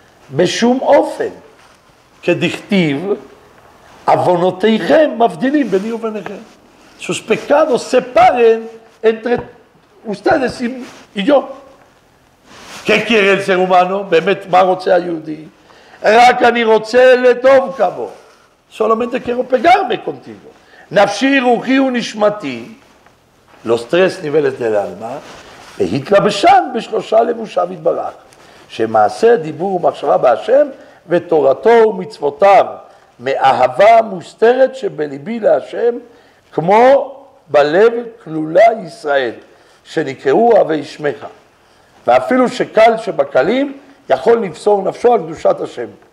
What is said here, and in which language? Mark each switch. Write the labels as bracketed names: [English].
[Hebrew] בשום אופן, כדכתיב, עוונותיכם מבדילים ביני וביניכם. [Spanish] Sus pecados separen entre ustedes y yo. ¿Qué quiere el ser humano? [Hebrew] באמת, מה רוצה היהודי? רק אני רוצה לטוב כמו. [Spanish] Solamente quiero pegarme contigo. [Hebrew] נפשי, רוחי ונשמתי, [Spanish] los tres niveles del alma, [Hebrew] והתלבשן בשלושה לבושיו יתברך. שמעשה דיבור ומחשבה בהשם ותורתו ומצוותיו מאהבה מוסתרת שבליבי להשם כמו בלב כלולה ישראל שנקראו אוהבי שמך ואפילו שקל שבקלים יכול לבשור נפשו על קדושת השם.